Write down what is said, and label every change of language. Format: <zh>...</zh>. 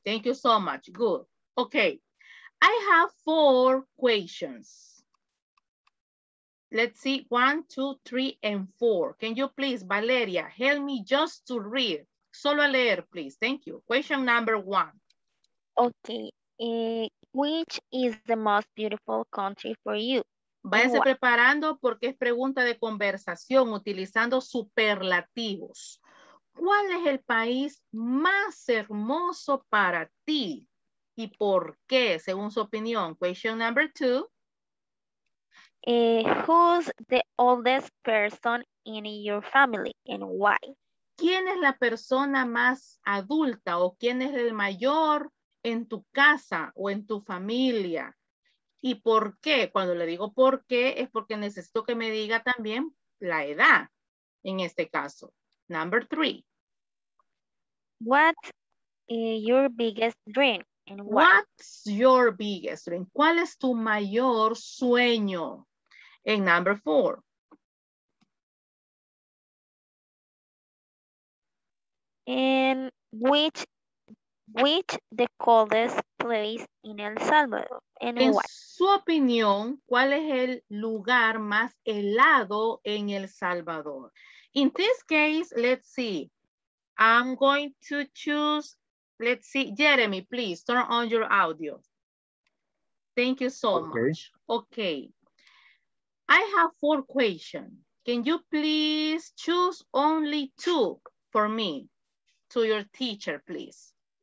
<en>Thank you so much. Good. Okay. I have 4 questions. Let's see. 1, 2, 3, and 4. Can you please, Valeria, help me just to read?</en> <es>Solo a leer,</es> <en>please. Thank you. Question number 1. Okay. Which is the most beautiful country for you?</en> <es>Váyase preparando porque es pregunta de conversación utilizando superlativos. ¿Cuál es el país más hermoso para ti? ¿Y por qué, según su opinión?</es> <en>Question number 2. Who's the oldest person in your family and why?</en> <es>¿Quién es la persona más adulta o quién es el mayor en tu casa o en tu familia? ¿Y por qué? Cuando le digo por qué, es porque necesito que me diga también la edad, en este caso.</es> <en>Number 3. What's your biggest dream? And why? What's your biggest dream?</en> <es>¿Cuál es tu mayor sueño? En</es> <en>number 4. And which the coldest place in El Salvador? And</en> <es>en</es> <en>why?</en> <es>Su opinión, ¿cuál es el lugar más helado en El Salvador?</es> <en>In this case, let's see. I'm going to choose, let's see, Jeremy, please turn on your audio. Thank you so much. Okay. I have 4 questions. Can you please choose only 2 for me to your teacher, please?</en>